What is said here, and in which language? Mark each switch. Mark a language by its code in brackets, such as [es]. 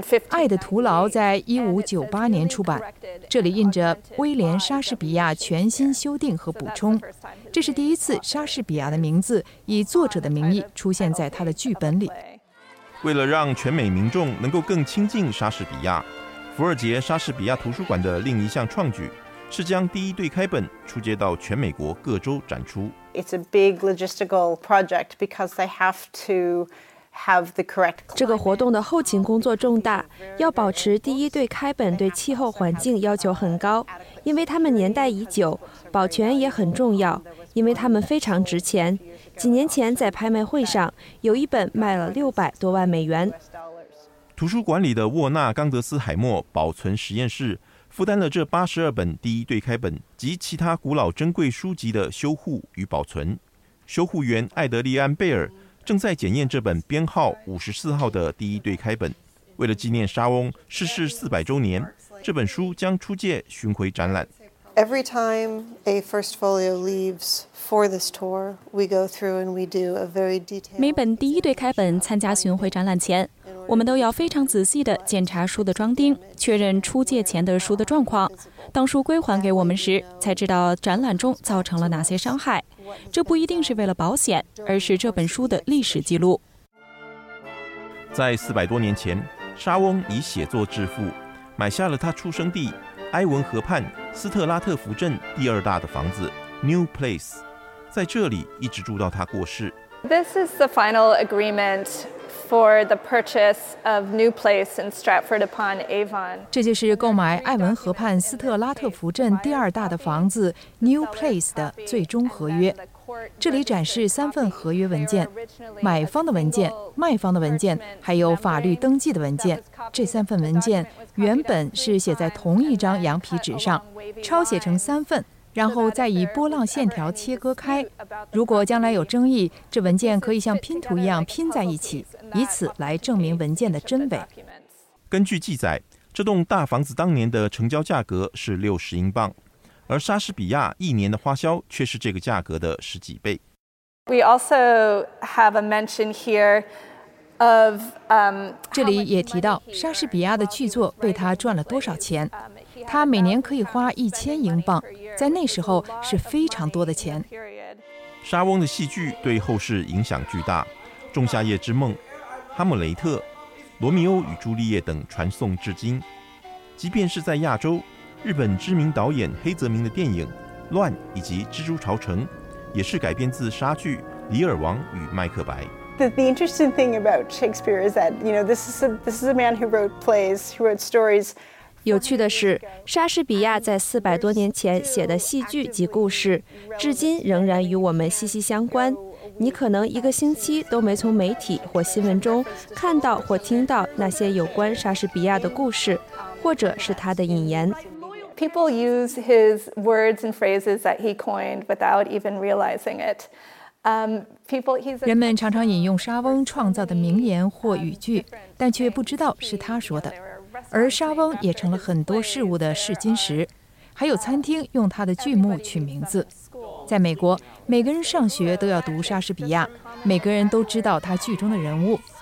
[zh] 爱的徒劳在1598年出版，这里印着威廉莎士比亚全新修订和补充，这是第一次莎士比亚的名字以作者的名义出现在他的剧本里。为了让全美民众能够更亲近莎士比亚，福尔杰莎士比亚图书馆的另一项创举是将第一对开本出借到全美国各州展出。 [en] It's a big logistical project because they have to have the correct. [zh] 这个活动的后勤工作重大，要保持第一对开本对气候环境要求很高，因为它们年代已久，保全也很重要，因为它们非常值钱。几年前在拍卖会上，有一本卖了$600多万。图书馆里的沃纳·冈德斯海默保存实验室负担了这82本第一对开本及其他古老珍贵书籍的修护与保存。修护员艾德利安·贝尔正在检验这本编号54号的第一对开本，为了纪念莎翁逝世400周年，这本书将出借巡回展览。 [en] Every time a first folio leaves for this tour, we go through and we do a very detailed. [zh] 每本第一对开本参加巡回展览前，我们都要非常仔细地检查书的装订，确认出借前的书的状况。当书归还给我们时，才知道展览中造成了哪些伤害。这不一定是为了保险，而是这本书的历史记录。在400多年前，沙翁以写作致富，买下了他出生地埃文河畔斯特拉特福镇第二大的房子 New Place， 在这里一直住到他过世。 [en] This is the final agreement for the purchase of New Place in Stratford upon Avon。 [zh] 这就是购买埃文河畔斯特拉特福镇第二大的房子 New Place 的最终合约。这里展示三份合约文件，买方的文件、卖方的文件，还有法律登记的文件。这三份文件原本是写在同一张羊皮纸上，抄写成三份，然后再以波浪线条切割开。如果将来有争议，这文件可以像拼图一样拼在一起，以此来证明文件的真伪。根据记载，这栋大房子当年的成交价格是60英镑。而莎士比亚一年的花销却是这个价格的十几倍。 [en] We also have a mention here of [zh] 这里也提到莎士比亚的剧作为他赚了多少钱。他每年可以花1000英镑，在那时候是非常多的钱。莎翁的戏剧对后世影响巨大，《仲夏夜之梦》、《哈姆雷特》、《罗密欧与朱丽叶》等传颂至今。即便是在亚洲，日本知名导演黑泽明的电影《乱》以及《蜘蛛巢城》也是改编自莎剧《李尔王与麦克白》。 [en] The interesting thing about Shakespeare is that, you know, this is a man who wrote plays, who wrote stories. [zh] 有趣的是，莎士比亚在400多年前写的戏剧及故事，至今仍然与我们息息相关。你可能一个星期都没从媒体或新闻中看到或听到那些有关莎士比亚的故事，或者是他的引言。 [en] People use his words and phrases that he coined without even realizing it. People. [zh] 人们常常引用莎翁创造的名言或语句，但却不知道是他说的。而莎翁也成了很多事物的试金石，还有餐厅用他的剧目取名字。在美国，每个人上学都要读莎士比亚，每个人都知道他剧中的人物。